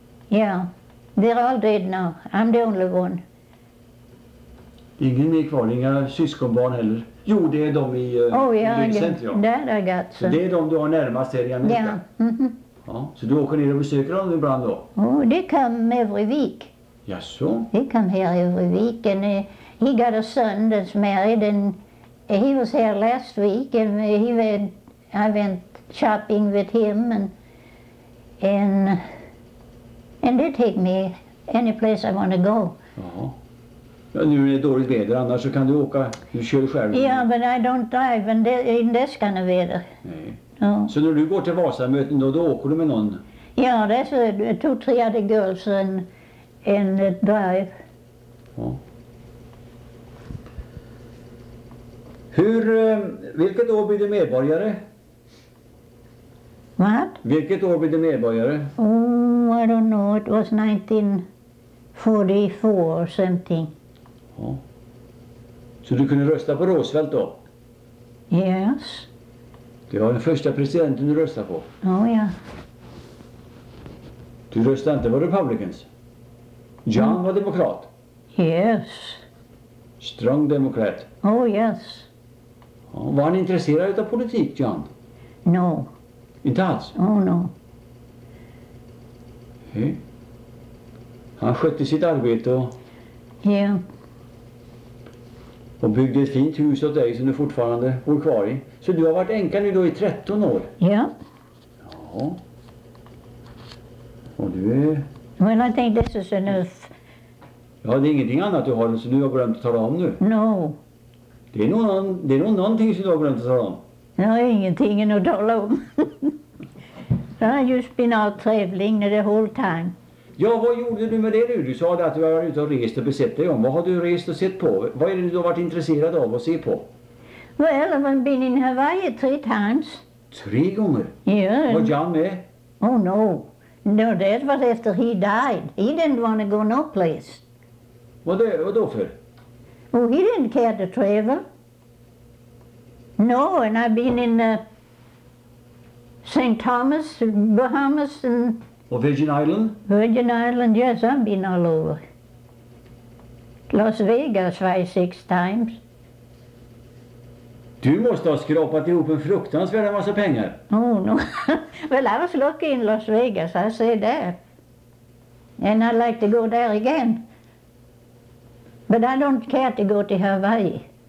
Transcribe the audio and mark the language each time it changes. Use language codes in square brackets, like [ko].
[en] Yeah, they're all dead now. I'm the only one. [sv] Ingen mer kvar, inga syskonbarn heller. Jo, det är de i [en] Lyngcentrum. Oh, yeah, [sv] så det är de du har närmast här i Amerika? [en] Yeah. Mm-hmm. [sv] Ja. Så du åker ner och besöker dem ibland då? [en] Oh, they come every week. [sv] Jaså? [en] He come here every week and he got a son that's married and he was here last week and I went shopping with him and they take me any place I want to go. [sv] Ja, nu är det dåligt väder, annars så kan du åka, du kör själv. [en] Ja, yeah, but I don't drive in this kind of weather. [sv] Nej. Oh. Så när du går till Vasamöten då, då åker du med någon? Ja, det är [en] 2-3 other girls and a drive. [sv] Ja. Hur, vilket år blir du medborgare? [en] What? [sv] Vilket år blir du medborgare? [en] Oh, I don't know, it was 1944 or something. [sv] Ja. Så du kunde rösta på Roosevelt då? [en] Yes. [sv] Det var den första presidenten du röstade på. Oh ja. Du röstade inte på Republicans. John var demokrat. [en] Yes. Strong demokrat. Oh yes. [sv] Ja. Var han intresserad av politik, John? [en] No. [sv] Inte alls? [en] Oh no. [sv] Ja. Han skötte sitt arbete och... Ja. Yeah. Och byggde ett fint hus åt dig som du fortfarande bor kvar i. Så du har varit änka nu då i 13 år? Ja. Ja. Och du är... [en] Well, I think this is enough. [sv] Ja, det är ingenting annat du har som du har glömt att tala om nu. [en] No. [sv] Det är nog någonting som du har glömt att tala om. Jag har ingenting att tala om. [en] I just been out traveling the whole time. [sv] Ja, vad gjorde du med det nu? Du sa att du var ute och rest och besett dig om. Vad har du rest och sett på? Vad är det du har varit intresserad av att se på? [en] Well, I've been in Hawaii 3 times. [sv] 3 gånger? Ja. Yeah. Var John med? [en] Oh no. No, that was after he died. He didn't want to go no place. [sv] Vad då för? [en] Oh, he didn't care to travel. No, and I've been in St. Thomas, Bahamas and... Or Virgin Island? Virgin Island, yes, I've been all over. Las Vegas 5-6 times. [sv] Du måste ha skrapat ihop en fruktansvärd massa pengar. [en] Oh no. Well, I was lucky in Las Vegas, I say that. And I'd like to go there again. But I don't care to go to Hawaii.